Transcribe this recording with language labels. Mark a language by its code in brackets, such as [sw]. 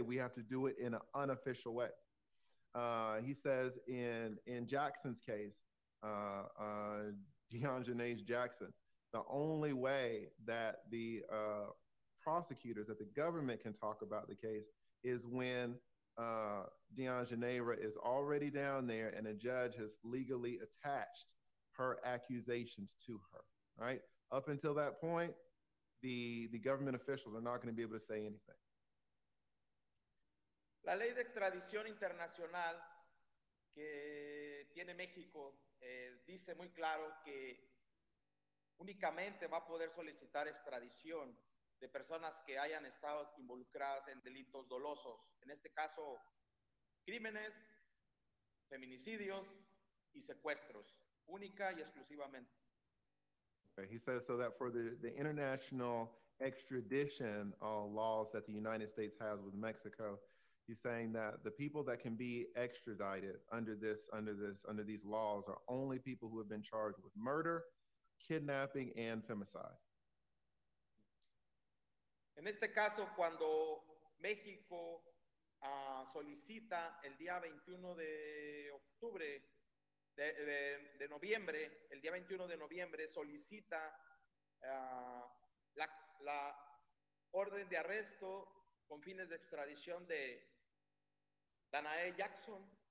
[en] We have to do it in an unofficial way. He says in Jackson's case, Daejhanae Jackson, the only way that the prosecutors, that the government can talk about the case is when Daejhanae is already down there and a judge has legally attached her accusations to her, right? Up until that point, the government officials are not going to be able to say anything. [es] La ley de extradición internacional que tiene México dice muy claro que únicamente va a poder solicitar extradición de personas que hayan estado involucradas en delitos dolosos, en este caso, crímenes, feminicidios y secuestros, única y exclusivamente. [en] Okay, he says so that for the international extradition laws that the United States has with Mexico, he's saying that the people that can be extradited under these laws are only people who have been charged with murder, kidnapping, and femicide. [es] En este caso, cuando México solicita el día 21 de octubre de noviembre, el día 21 de noviembre, solicita la orden de arresto con fines de extradición de Daejhanae Jackson.